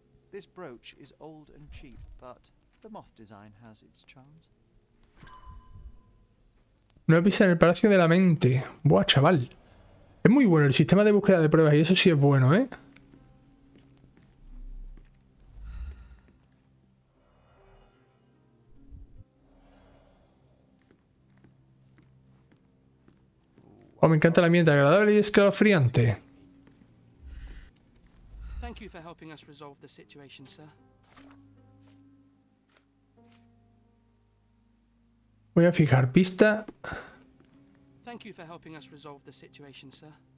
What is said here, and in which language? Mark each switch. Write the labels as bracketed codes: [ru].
[en] This brooch is old and cheap, but the moth design has its charms. [es] No he visto en el Palacio de la Mente. Buah, chaval. Es muy bueno el sistema de búsqueda de pruebas y eso sí es bueno, ¿eh? Oh, me encanta el ambiente agradable y escalofriante. [en] Thank you for helping us resolve the situation, sir. [es] Voy a fijar pista. [en] Thank you for helping us resolve the situation, sir.